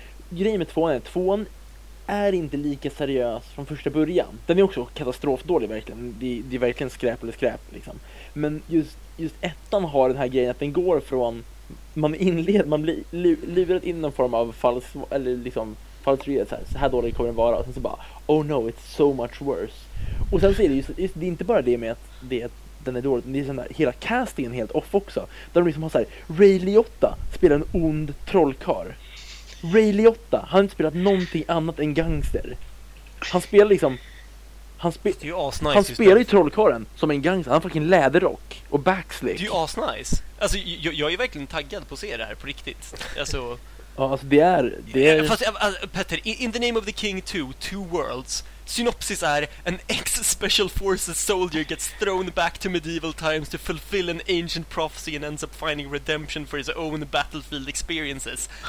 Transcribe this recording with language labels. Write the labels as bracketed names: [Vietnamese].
[Swedish] Grejen med tvåan är att tvåan är inte lika seriös från första början. Den är också katastrofdålig verkligen. Det är verkligen skräp eller skräp liksom. Men just ettan har den här grejen att den går från man blir lurat in någon form av så här dåligt kommer det vara. Och sen så bara, [English] oh no, it's so much worse. [Swedish] Och sen så är det just det är inte bara det med att den är dålig. Det är sån där, hela castingen helt off också. Där de liksom har så här, Ray Liotta spelar en ond trollkar. Ray Liotta, han har inte spelat någonting annat än gangster. Han spelar ju trollkaren som en gangster. Han har fucking läderrock och backslick. Det är ju asnice. Alltså, jag är verkligen taggad på att se det här på riktigt. Alltså... Ja, alltså det är... [English] Petter, In the Name of the King 2, Two Worlds. [Swedish] Synopsis är: [English] an ex-special forces soldier gets thrown back to medieval times to fulfill an ancient prophecy and ends up finding redemption for his own battlefield experiences.